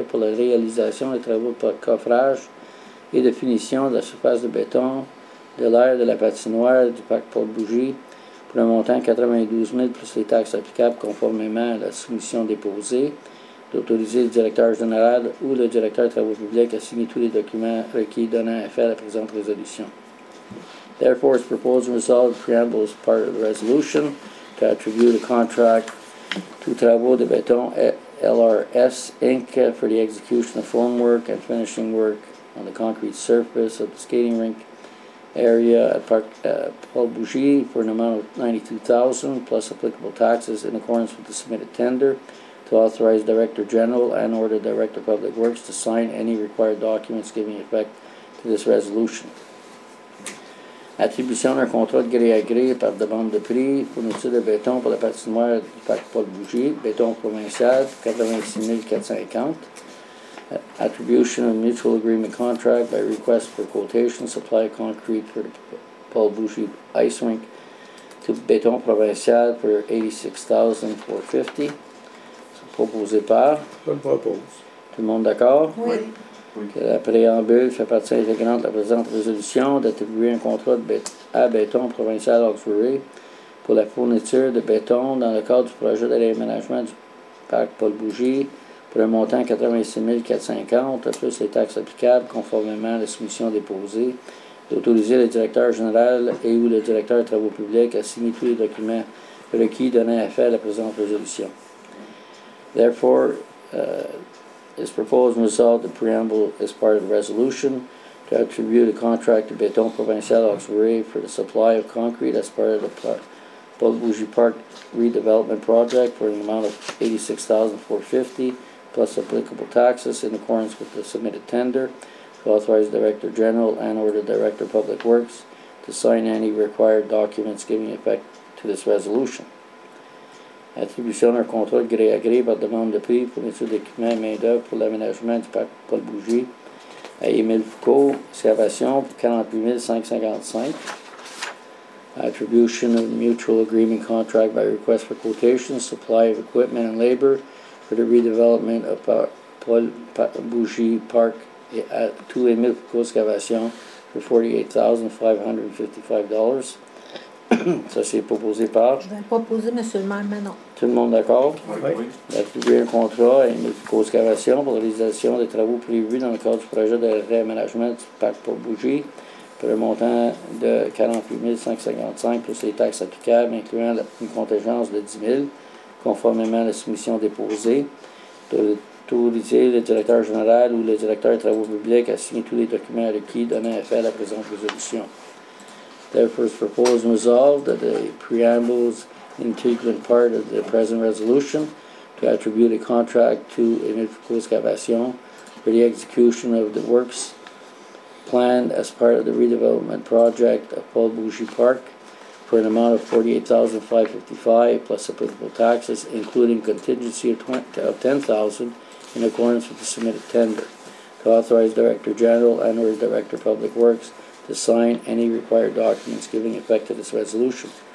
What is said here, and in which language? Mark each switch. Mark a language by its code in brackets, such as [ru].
[fr] pour la réalisation des travaux de coffrage et de finition de la surface de béton de l'aire de la patinoire du parc Paul Bougie pour un montant de 92 000 plus les taxes applicables conformément à la soumission déposée, d'autoriser le directeur général ou le directeur des travaux publics à signer tous les documents requis donnant effet à la présente résolution. [en] Therefore, it's proposed and resolved, the preamble is part of the resolution to attribute a contract to Travaux de Béton LRS Inc. for the execution of formwork and finishing work on the concrete surface of the skating rink area at Park Paul Bougie for an amount of $92,000 plus applicable taxes in accordance with the submitted tender, to authorize Director General and order Director of Public Works to sign any required documents giving effect to this resolution. [fr] Attribution d'un contrat de gré à gré par demande de prix, fourniture de béton pour la patinoire du parc Paul Bougie, béton provincial, $86,450. [en] Attribution of mutual agreement contract by request for quotation, supply of concrete for the Paul Bougie ice rink to béton provincial for $86,450. [fr] Proposé par? Je le propose. Tout le monde d'accord? Oui. Que la préambule fait partie intégrante de la présente résolution d'attribuer un contrat à béton provincial Oxbury pour la fourniture de béton dans le cadre du projet de réaménagement du parc Paul Bougie pour un montant de $86,450 plus les taxes applicables conformément à la soumission déposée, d'autoriser le directeur général et ou le directeur des travaux publics à signer tous les documents requis donnant effet à la présente résolution. [en] Therefore, is proposed and resolved, the preamble is part of the resolution, to attribute a contract to Béton Provincial Auxerre for the supply of concrete as part of the Paul Bougie Park redevelopment project for an amount of $86,450 plus applicable taxes in accordance with the submitted tender, to authorize Director General and or the Director of Public Works to sign any required documents giving effect to this resolution. [fr] Attribution à contrôle gré à gré par demande de prix pour l'étude d'équipement et main-d'œuvre pour l'aménagement du parc Paul Bougie à Émile Foucault, excavation pour $48,555. [en] Attribution of mutual agreement contract by request for quotation, supply of equipment and labor for the redevelopment of Paul Bougie Park to Émile Foucault, excavation for $48,555. [fr] Ça, c'est proposé par... Je vais proposer, monsieur le maire, mais non. Tout le monde d'accord? Oui. D'attribuer un contrat et une co-excavation pour la réalisation des travaux prévus dans le cadre du projet de réaménagement du parc Paul Bougie pour un montant de $48,555 plus les taxes applicables, incluant une contingence de $10,000, conformément à la soumission déposée, d'autoriser le directeur général ou le directeur des travaux publics à signer tous les documents requis donnant effet à la présente résolution. [en] Therefore, it's proposed and resolved that the preamble is an integral part of the present resolution to attribute a contract to Émile Foucault Excavation for the execution of the works planned as part of the redevelopment project of Paul Bougie Park for an amount of $48,555 plus applicable taxes, including contingency of $10,000 in accordance with the submitted tender, to authorize Director General and or Director of Public Works to sign any required documents giving effect to this resolution.